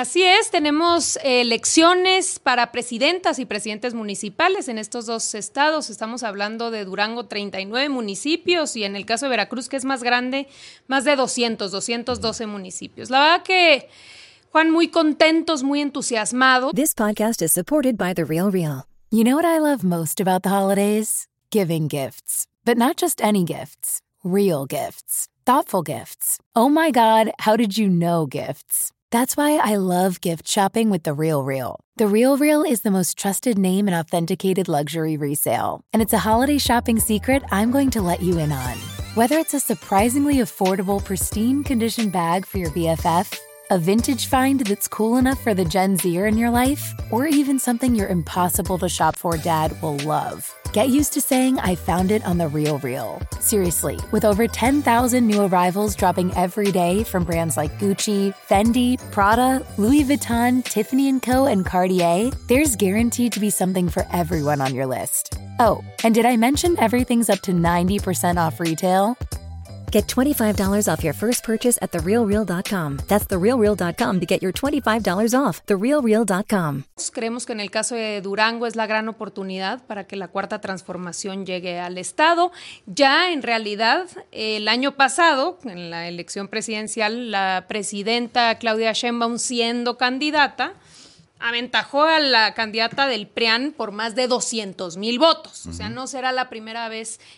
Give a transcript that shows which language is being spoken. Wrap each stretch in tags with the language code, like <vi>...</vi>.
<es>Así es, tenemos elecciones para presidentas y presidentes municipales en estos dos estados. Estamos hablando de Durango, 39 municipios, y en el caso de Veracruz, que es más grande, más de 212 municipios. La verdad que, Juan, muy contentos, muy entusiasmados.</es> <en>This podcast is supported by The Real Real. You know what I love most about the holidays? Giving gifts, but not just any gifts, real gifts, thoughtful gifts. Oh my God, how did you know gifts? That's why I love gift shopping with The Real Real. The Real Real is the most trusted name in authenticated luxury resale. And it's a holiday shopping secret I'm going to let you in on. Whether it's a surprisingly affordable, pristine condition bag for your BFF, a vintage find that's cool enough for the Gen Zer in your life, or even something your impossible to shop for dad will love. Get used to saying, I found it on The Real Real. Seriously, with over 10,000 new arrivals dropping every day from brands like Gucci, Fendi, Prada, Louis Vuitton, Tiffany & Co., and Cartier, there's guaranteed to be something for everyone on your list. Oh, and did I mention everything's up to 90% off retail? Get $25 off your first purchase at TheRealReal.com. That's TheRealReal.com to get your $25 off. TheRealReal.com.</en> <es>Creemos que en el caso de Durango es la gran oportunidad para que la cuarta transformación llegue al estado. Ya en realidad, el año pasado, en la elección presidencial, la presidenta Claudia Sheinbaum, siendo candidata, aventajó a la candidata del PRIAN por más de 200 mil votos. Uh-huh. O sea, no será la primera vez</es>